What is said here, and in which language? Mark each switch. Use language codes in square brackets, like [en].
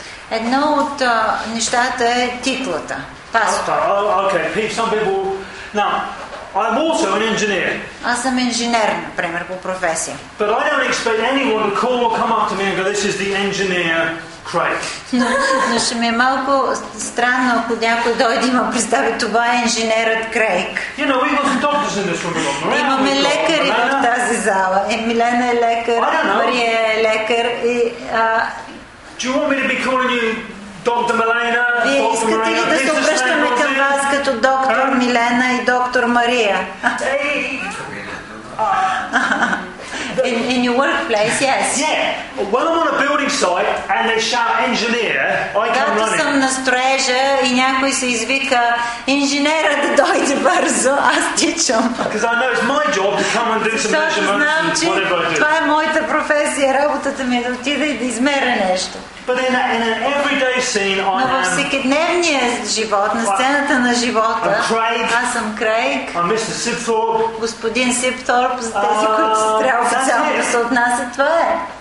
[bg] Едно от нещата е титлата пастор. [en] Okay, some people. Now, I'm also an engineer. [bg] Аз съм инженер, например, по професия. [en] But I don't expect anyone to call or come up to me and go, "This is the engineer." [bg] Но ще ми е малко странно, ако някой дойде и ме представи: това е инженерът Крейг. Имаме лекари в тази зала. Милена е лекар, Мария е лекар. Вие искате ли да се обръщаме към вас като доктор Милена и доктор Мария? [en] in your workplace, yes. Yeah. When I'm on a building site and they shout engineer, I come running. [bg] Когато съм на строежа и някой се извика инженера да дойде бързо, аз тичам. [en] Because I know it's my job to come and do some measurements. [bg] Това е моята професия, работата ми е да отида и да измеря нещо. [en] But in an everyday scene, I am. [bg] Но във всекидневния живот, на сцената на живота, аз съм Крейг. [en] I'm Mr. Sibthorpe. [bg] Господин Сибторп, за тези, които се трябва официално да се отнасят, това е.